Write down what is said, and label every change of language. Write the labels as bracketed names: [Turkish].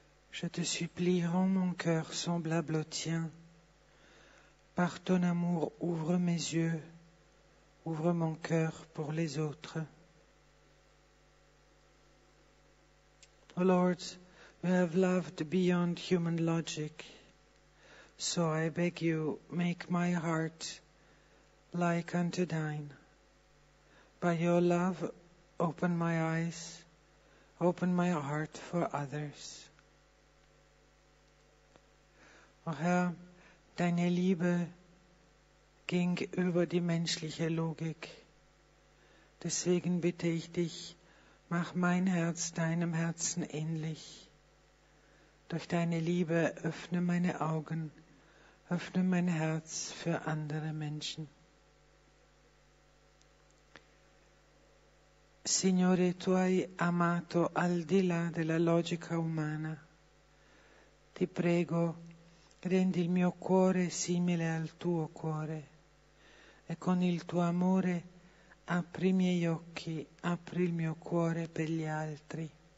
[French] Je te supplie, rends mon cœur semblable au tien. Par ton amour, ouvre mes yeux, ouvre mon cœur pour les autres. [English] O Lord, you have loved beyond human logic. So I beg you, make my heart like unto thine. By your love, open my eyes, open my heart for others. [German] O Herr, deine Liebe ging über die menschliche Logik. Deswegen bitte ich dich, mach mein Herz deinem Herzen ähnlich. Durch deine Liebe öffne meine Augen, öffne mein Herz für andere Menschen. [Italian] Signore, tu hai amato al di là della logica umana. Ti prego, rendi il mio cuore simile al tuo cuore e con il tuo amore apri i miei occhi, apri il mio cuore per gli altri.